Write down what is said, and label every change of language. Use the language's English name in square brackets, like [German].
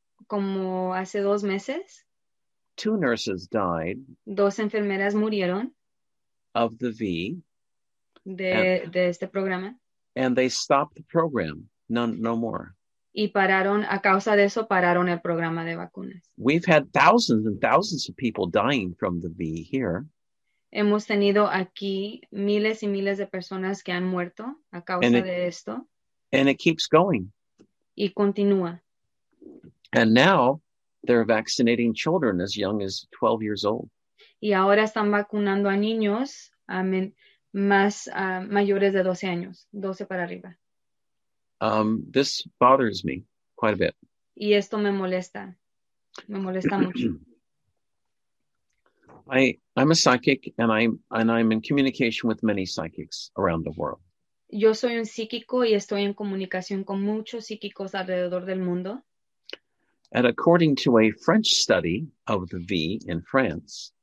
[Spanish] Como hace 2 meses. [English] Two nurses died. [Spanish] Dos enfermeras murieron. [English] Of the V. [Spanish] De este programa. [English] And they stopped the program. No more. [Spanish] Y pararon, a causa de eso, pararon el programa de vacunas. [English] We've had thousands and thousands of people dying from the V here. [Spanish] Hemos tenido aquí miles y miles de personas que han muerto a causa de esto. [English] And it keeps going. [Spanish] Y continúa. [English] And now they're vaccinating children as young as 12 years old. [Spanish] Y ahora están vacunando a niños mayores de 12 años, 12 para arriba. [English] This bothers me quite a bit. [Spanish] Y esto me molesta. Me molesta mucho. [English] I'm a psychic and I'm in communication with many psychics around the world. [Spanish] Yo soy un psíquico y estoy en comunicación con muchos psíquicos alrededor del mundo. [English] And according to a French study of the V in France,